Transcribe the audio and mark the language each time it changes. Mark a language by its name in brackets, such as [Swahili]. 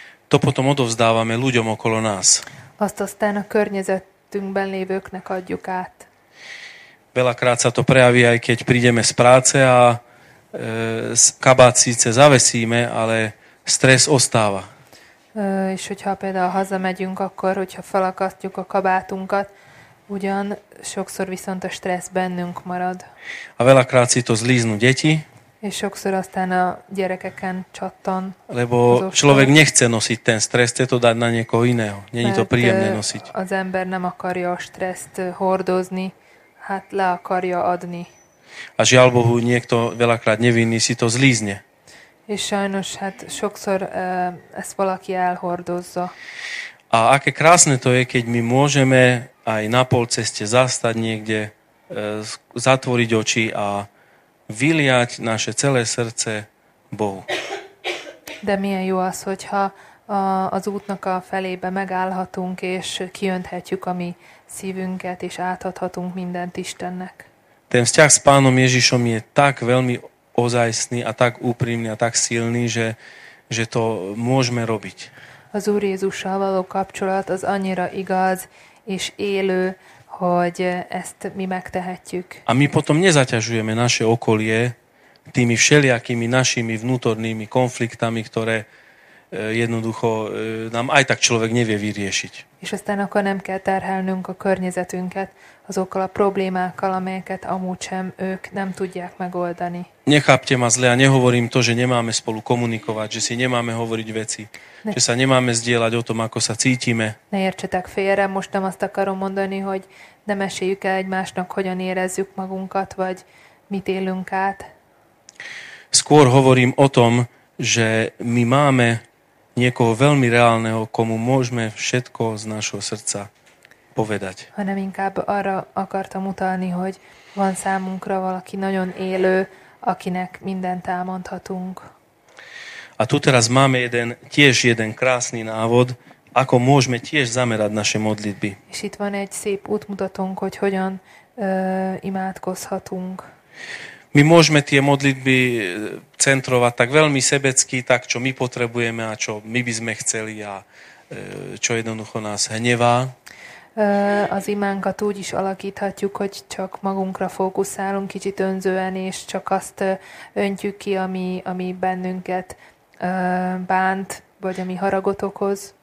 [Slovak] To potom odovzdávame ľuďom okolo nás. [Hungarian] Azt aztán a környezetünkben lévőknek adjuk át. [Slovak] Veľakrát sa to prejaví, aj keď prídeme z práce a kabát síce zavesíme, ale stres ostáva. [Hungarian] És hogyha például hazamegyünk, akkor, hogyha felakasztjuk a kabátunkat, ugyan sokszor viszont a stressz bennünk marad. [Slovak] A veľakrát si to zlíznú deti. [Hungarian] És sokszor aztán a gyerekeken csattan. [Slovak] Lebo človek nechce nosiť ten stresz, chce to dať na niekoho iného. Není to príjemné nosiť. [Hungarian] Az ember nem akarja a stresszt hordozni, hát le akarja adni. [Slovak] A žiaľ Bohu, niekto veľakrát nevinný si to zlízne. [Hungarian] És sajnos, hát sokszor ezt valaki elhordozza. [Slovak] A aké krásne to je, keď my môžeme aj na polceste zastať niekde, zatvoriť oči a vyliať naše celé srdce Bohu. [Hungarian] De milyen jó az, hogyha az útnak a felébe megállhatunk, és kijönthetjük a mi szívünket, és átadhatunk mindent Istennek. [Slovak] Ten vzťah s Pánom Ježišom je tak veľmi ozajstný a tak úprimný a tak silný, že to môžeme robiť. [Hungarian] Az Úr Jézussal való kapcsolat az annyira igaz és élő, hogy ezt mi megtehetjük. [Slovak] A my potom nezaťažujeme naše okolie tými všelijakými našimi vnútornými konfliktami, ktoré jednoducho nám aj tak človek nevie vyriešiť. [Hungarian] És aztán akkor nem kell terhelnünk a környezetünket azokkal a problémákkal, amelyeket amúgy sem ők nem tudják megoldani. [Slovak] Nechápte ma zle, a nehovorím to, že nemáme spolu komunikovať, že si nemáme hovoriť veci, že sa nemáme zdieľať o tom, ako sa cítime. [Hungarian] Ne értsetek félre, most nem azt akarom mondani, hogy ne meséljük el egymásnak, hogyan érezzük magunkat, vagy mit élünk át. [Slovak] Skôr hovorím o tom, že my máme niekoho veľmi reálneho, komu môžeme všetko z našho srdca povedať. [Hungarian] Hanem inkább arra akartam utalni, hogy van számunkra valaki nagyon élő, akinek mindent elmondhatunk. [Slovak] A tu teraz máme tiež jeden krásny návod, ako môžeme tiež zamerať naše modlitby. [Hungarian] És itt van egy szép útmutatónk, hogy hogyan imádkozhatunk. [Slovak] My môžeme tie modlitby centrovať tak veľmi sebecky, tak čo my potrebujeme a čo my by sme chceli a čo jednoducho nás hnevá. [Hungarian] Az imánkat úgy is alakíthatjuk, hogy csak magunkra fókuszálunk kicsit önzően, és csak azt öntjük ki, ami bennünket bánt, vagy ami haragot okoz.